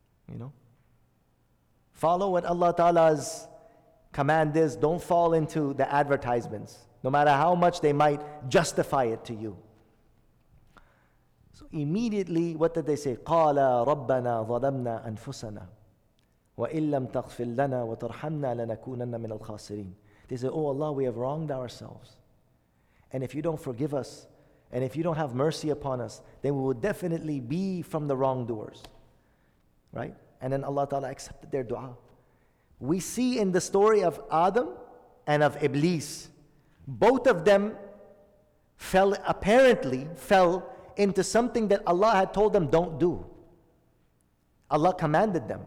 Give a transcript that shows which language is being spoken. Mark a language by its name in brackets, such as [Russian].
[English] You know? Follow what Allah Ta'ala's command is. Don't fall into the advertisements, no matter how much they might justify it to you. So immediately, what did they say? [Arabic] قال ربنا ظلمنا أنفسنا وإن لم تغفر لنا وترحمنا لنكونن من الخاسرين. [English] They say, oh Allah, we have wronged ourselves. And if you don't forgive us, and if you don't have mercy upon us, then we will definitely be from the wrongdoers. Right? And then Allah Ta'ala accepted their dua. We see in the story of Adam and of Iblis, both of them fell into something that Allah had told them don't do. Allah commanded them.